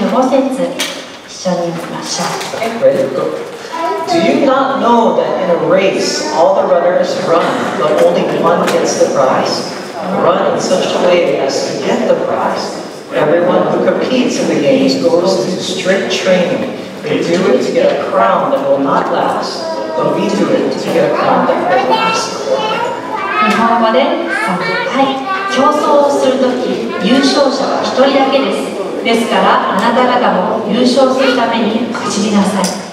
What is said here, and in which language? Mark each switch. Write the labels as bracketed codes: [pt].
[ja] 第一コリント9章24節から25節一緒に見ましょう。 [en] Ready? Go. Do you not know that in a race all the runners run, but only one gets the prize? Run in such a way as to get the prize. Everyone who competes in the games goes into strict training. They do it to get a crown that will not last, but we do it to get a crown that will last. [ja] 日本語で、はい、競争をするとき優勝者は一人だけです。ですからあなた方も優勝するために走りなさい。